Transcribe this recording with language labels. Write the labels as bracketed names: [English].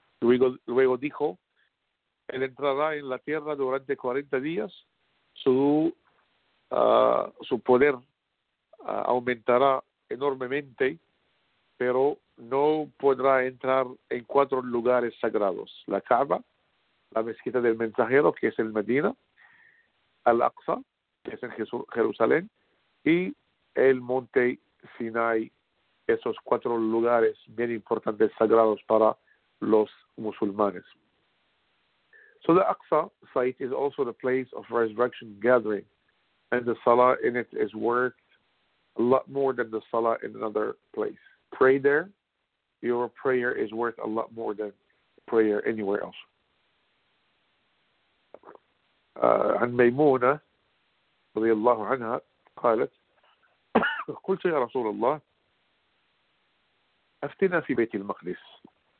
[Spanish] Luego dijo, él entrará en la tierra durante 40 días, su poder aumentará enormemente, pero no podrá entrar en cuatro lugares sagrados: la Kaaba, la mezquita del mensajero, que es en Medina, Al-Aqsa, que es en Jerusalén, y el monte Sinai. Esos cuatro lugares bien importantes, sagrados para los musulmanes. [English] So the Aqsa site is also the place of resurrection gathering, and the Salah in it is worth a lot more than the Salah in another place. Pray there, your prayer is worth a lot more than prayer anywhere else. [Arabic] عن ميمونة رضي الله عنها قالت قلت يا رسول الله أفتنا في بيت المقدس.